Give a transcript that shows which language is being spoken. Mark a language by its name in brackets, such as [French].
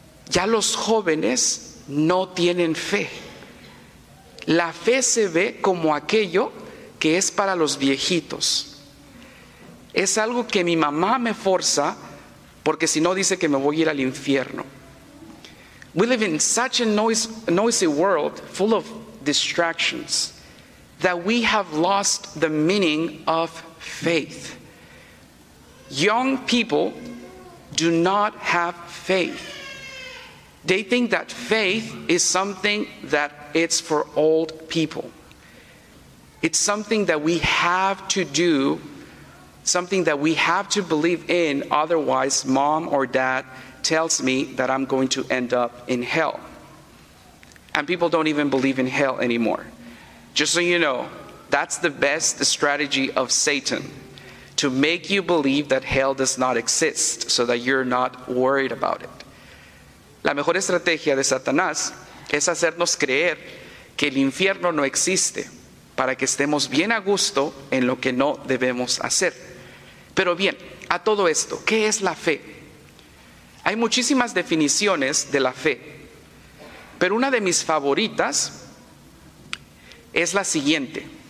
[Spanish] Ya los jóvenes no tienen fe. La fe se ve como aquello que es para los viejitos. Es algo que mi mamá me forza, porque si no dice que me voy a ir al infierno. [English] We live in such a noisy world full of distractions that we have lost the meaning of faith. Young people do not have faith. They think that faith is something that it's for old people. It's something that we have to do, something that we have to believe in, otherwise mom or dad tells me that I'm going to end up in hell. And people don't even believe in hell anymore. Just so you know, that's the best strategy of Satan, to make you believe that hell does not exist so that you're not worried about it. [Spanish] La mejor estrategia de Satanás es hacernos creer que el infierno no existe para que estemos bien a gusto en lo que no debemos hacer. Pero bien, a todo esto, ¿qué es la fe? Hay muchísimas definiciones de la fe, pero una de mis favoritas es la siguiente.